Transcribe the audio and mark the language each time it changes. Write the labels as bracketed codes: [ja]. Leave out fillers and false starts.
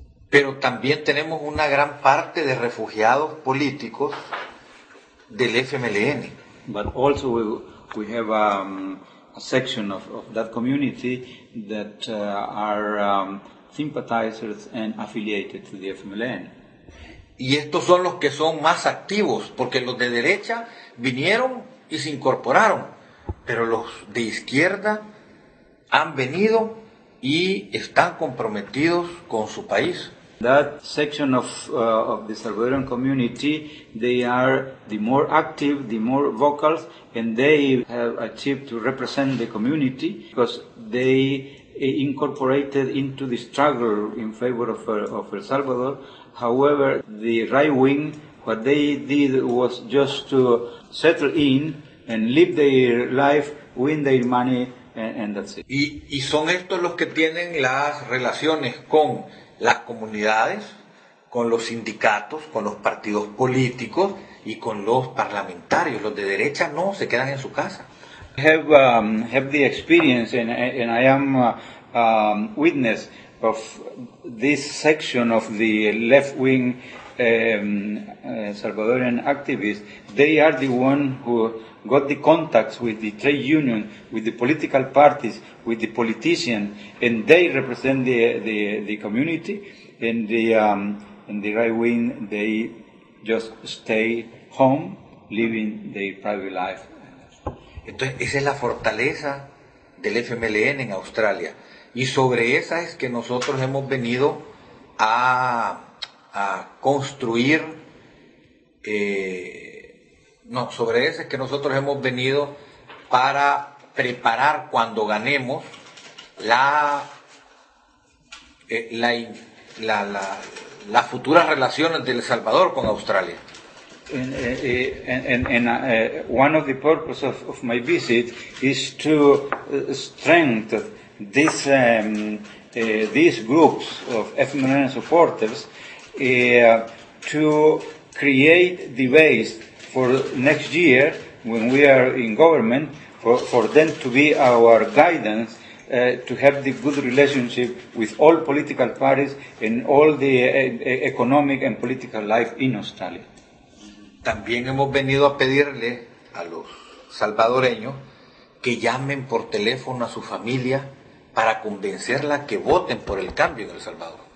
[es] Pero también tenemos una gran parte de refugiados políticos del FMLN. [en] But also we have a section of that community that are sympathizers and affiliated to the FMLN. [es] Y estos son los que son más activos, porque los de derecha vinieron y se incorporaron, pero los de izquierda han venido y están comprometidos con su país. [en] That section of the Salvadoran community, they are the more active, the more vocal, and they have achieved to represent the community because they incorporated into the struggle in favor of El Salvador. However, the right wing, what they did was just to settle in and live their life, win their money, and that's it. [es] Y son estos los que tienen las relaciones con las comunidades, con los sindicatos, con los partidos políticos y con los parlamentarios. Los de derecha no, se quedan en su casa. [en] I have the experience and I am witness of this section of the left-wing Salvadorian activists. They are the one who got the contacts with the trade union, with the political parties, with the politicians, and they represent the community, and the and the right wing, they just stay home, living their private life. [es] Entonces, esa es la fortaleza del FMLN en Australia. Y sobre esa es que nosotros hemos venido a construir, sobre esa es que nosotros hemos venido para preparar cuando ganemos las futuras relaciones de El Salvador con Australia. [en] And one of the purposes of my visit is to strengthen these groups of FMLN supporters to create the base for next year when we are in government for them to be our guidance to have the good relationship with all political parties and all the economic and political life in Australia. [es] También hemos venido a pedirle a los salvadoreños que llamen por teléfono a su familia para convencerla que voten por el cambio en El Salvador.